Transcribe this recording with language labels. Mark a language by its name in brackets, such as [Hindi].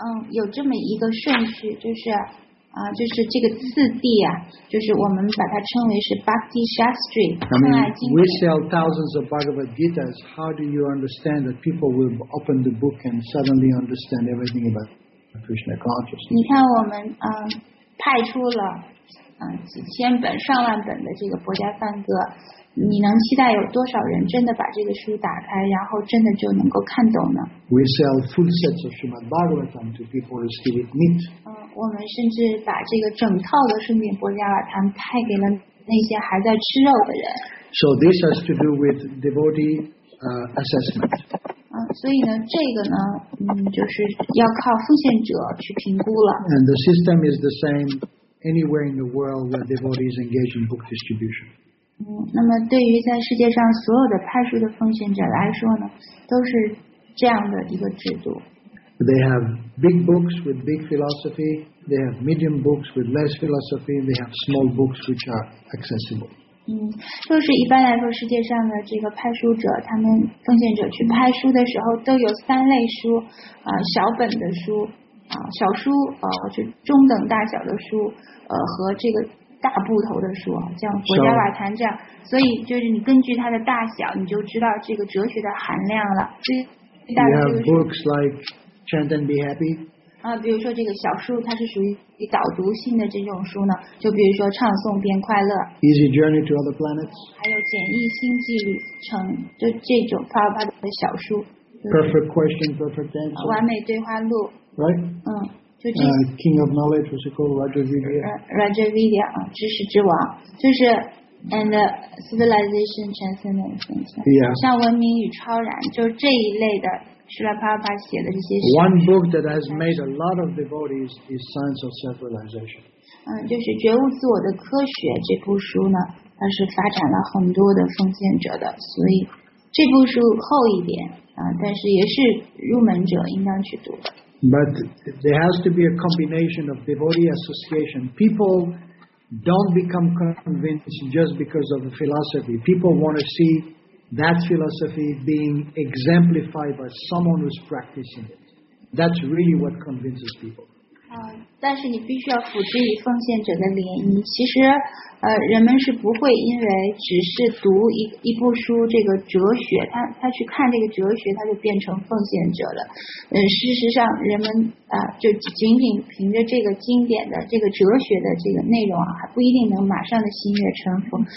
[Chinese] 有这么一个顺序，就是这个次第啊，就是我们把它称为是 Bhakti Shastri. [English] I mean, we sell thousands of Bhagavad Gitas. How do you understand that people will open the book and suddenly understand everything about Krishna consciousness? [Chinese] 你看我们派出了几千本、上万本的这个博家梵歌。你能期待有多少人真的把这个书打开，然后真的就能够看懂呢？ [English] We sell full sets of Srimad Bhagavatam to people who still eat meat. [Chinese] 我们甚至把这个整套的圣经波迦瓦坦派给了那些还在吃肉的人。 [English] So this has to do with devotee assessment. [Chinese] 所以呢，这个呢，就是要靠奉献者去评估了。 [English] And the system is the same anywhere in the world where devotees engage in book distribution. [Chinese] 那么对于在世界上所有的派书的奉献者来说呢，都是这样的一个制度。 [English] They have big books with big philosophy. They have medium books with less philosophy. They have small books which are accessible. [Chinese] 就是一般来说，世界上的这个派书者，他们奉献者去派书的时候，都有三类书，小本的书，小书，是中等大小的书，和这个。大部头的书，像国家瓦坛这样， [English] so, [Chinese] 所以就是你根据它的大小，你就知道这个哲学的含量了。 [English] You have books like Chant and Be Happy. [Chinese] 比如说这个小书它是属于导读性的这种书呢，就比如说唱诵边快乐 [English] Easy Journey to Other Planets， [Chinese] 还有简易星际旅程，就这种帕拉巴德的小书，就是， [English] Perfect Question, Perfect Answer， [Chinese] 完美对话录 [English] Right？ [Chinese] 就这 [English] 个King of Knowledge was called Rajavidya， [Chinese] 知识之王，就是 [English] And civilization transcendence， [Chinese] 像文明与超然，就这一类的，是吧？帕帕写的这些。 [English] One book that has made a lot of devotees is Science of Self-Realization。 [Chinese] 就是觉悟自我的科学这部书呢，它是发展了很多的奉献者的，所以这部书厚一点，但是也是入门者应当去读的。 [English] But there has to be a combination of devotee association people. Don't become convinced just because of the philosophy. People want to see that philosophy being exemplified by someone who's practicing it. That's really what convinces people. [Chinese] 但是你必须要辅之以奉献者的涟漪。其实，人们是不会因为只是读一部书这个哲学，他去看这个哲学，他就变成奉献者了。事实上，人们就仅仅凭着这个经典的这个哲学的这个内容啊，还不一定能马上的心悦诚服。